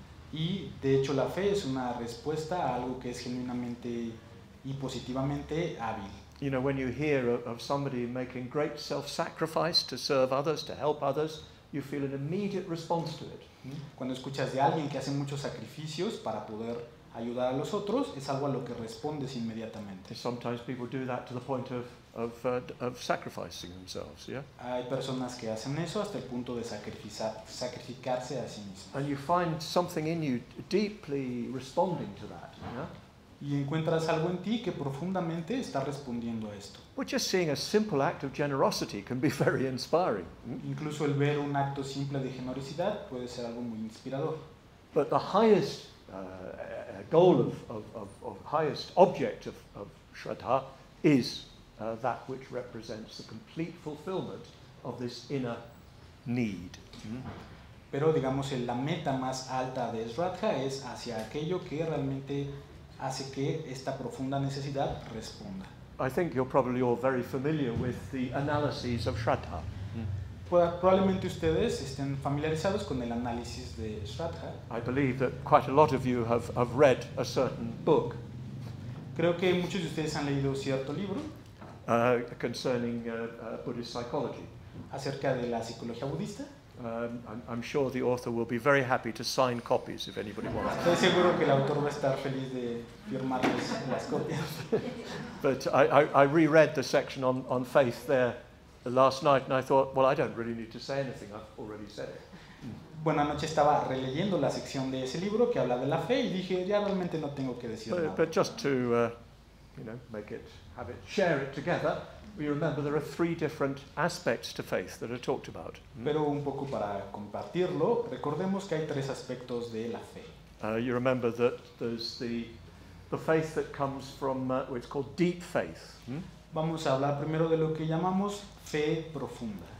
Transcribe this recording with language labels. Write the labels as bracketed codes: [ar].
[es] Y de hecho la fe es una respuesta a algo que es genuinamente y positivamente hábil. [en] You know, when you hear of somebody making great self-sacrifice to serve others, to help others, you feel an immediate response to it. [es] Cuando escuchas de alguien que hace muchos sacrificios para poder ayudar a los otros, es algo a lo que respondes inmediatamente. [en] Sometimes people do that to the point of sacrificing themselves, yeah? [es] Hay personas que hacen eso hasta el punto de sacrificarse a sí mismos. [en] And you find something in you deeply responding to that, yeah? [es] Y encuentras algo en ti que profundamente está respondiendo a esto. [en] But just seeing a simple act of generosity can be very inspiring. [es] Incluso el ver un acto simple de generosidad puede ser algo muy inspirador. [en] But the highest goal of highest object of Shraddha is that which represents the complete fulfillment of this inner need. [es] Pero digamos la meta más alta de Shraddha es hacia aquello que realmente hace que esta profunda necesidad responda. [en] I think you're probably all very familiar with the analyses of Shraddha. [es] Probablemente ustedes estén familiarizados con el análisis de Shraddha. [en] I believe that quite a lot of you have read a certain book. [es] Creo que muchos de ustedes han leído cierto libro. [en] Concerning Buddhist psychology. [es] Acerca de la psicología budista. [en] I'm sure the author will be very happy to sign copies if anybody wants. [es] Estoy seguro que el autor va a estar feliz de firmarles las copias. [en] But I reread the section on faith there last night, and I thought, well, I don't really need to say anything. I've already said it. [es] Buena noche estaba releyendo la sección de ese libro que habla de la fe y dije, ya realmente no tengo que decir nada. [en] But just to, make it, have it, share it together. We remember there are three different aspects to faith that are talked about. [es] Pero un poco para compartirlo, recordemos que hay tres aspectos de la fe. [en] You remember that there's the faith that comes from what's called deep faith. [es] Vamos a hablar primero de lo que llamamos fe profunda.